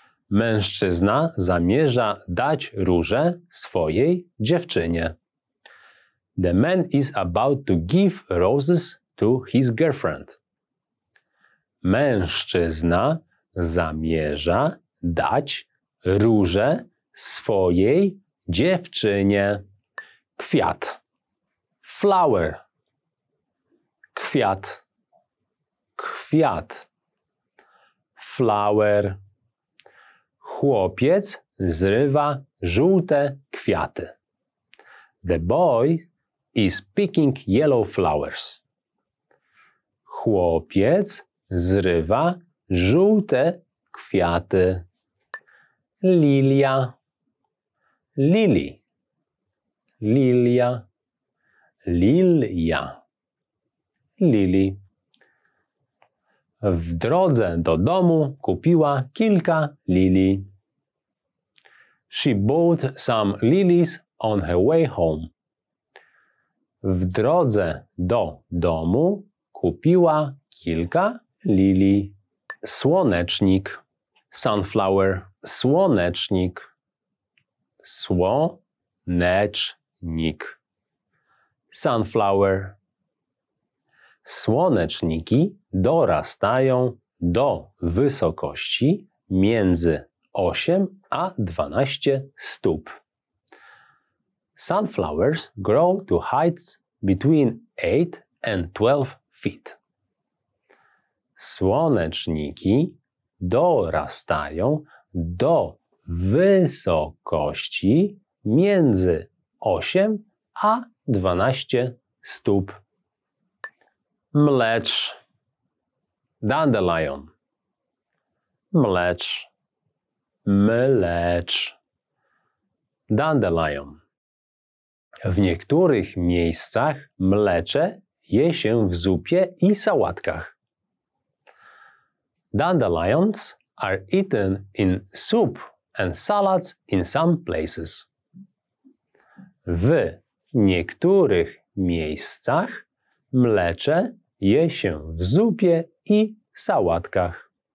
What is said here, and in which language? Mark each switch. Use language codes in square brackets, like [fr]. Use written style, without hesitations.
[pl] Mężczyzna zamierza dać różę swojej dziewczynie. [en] The man is about to give roses to his girlfriend. [pl] Mężczyzna zamierza dać różę swojej dziewczynie. Kwiat. [en] Flower. [pl] Kwiat. Kwiat. [en] Flower. [pl] Chłopiec zrywa żółte kwiaty. [en] The boy is picking yellow flowers. [pl] Chłopiec zrywa żółte kwiaty. Lilia. [en] Lily. [pl] Lilia. Lilia. [en] Lily. [pl] W drodze do domu kupiła kilka lili. [en] She bought some lilies on her way home. [pl] W drodze do domu kupiła kilka lili. Słonecznik. [en] Sunflower. [pl] Słonecznik. Słonecznik. [en] Sunflower. [pl] Słoneczniki dorastają do wysokości między 8 a 12 stóp. [en] Sunflowers grow to heights between 8 and 12 feet. [pl] Słoneczniki dorastają do wysokości między 8 a 12 stóp. Mlecz. [en] Dandelion. [pl] Mlecz. Mlecz. [en] Dandelion. [pl] W niektórych miejscach mlecze je się w zupie i sałatkach. [en] Dandelions are eaten in soup and salads in some places. [pl] W niektórych miejscach mlecze je się w zupie i sałatkach.